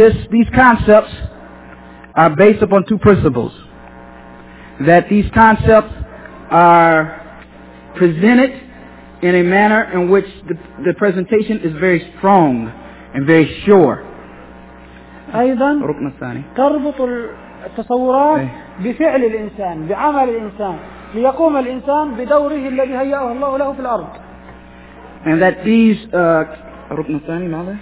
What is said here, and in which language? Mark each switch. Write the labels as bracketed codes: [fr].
[en] These concepts are based upon two principles. That these concepts are presented in a manner in which the presentation is very strong and very sure. [ar] أيضا تربط التصورات بفعل الإنسان بعمل الإنسان ليقوم الإنسان بدوره الذي هيأه الله له في الأرض. [en] And that these [ar] ركن ثاني ماذا؟